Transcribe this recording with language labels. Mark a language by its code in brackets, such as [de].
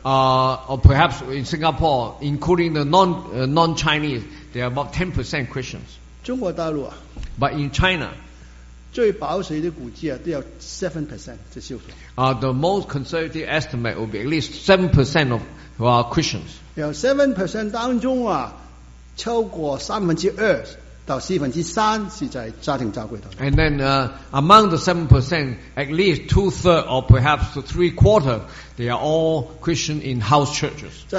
[en] Or perhaps in Singapore, including the non-Chinese, they are about 10% Christians. [zh] 中国大陆啊, [en] but in China, [zh] 最保守的估计啊，都要 7% 的基督徒。 [en] The most conservative estimate will be at least 7% of who are Christians. [zh] 有 7% 当中啊, 超过三分之二。 [en] And then among the 7%, at least 2/3 or perhaps 3/4, they are all Christian in house churches.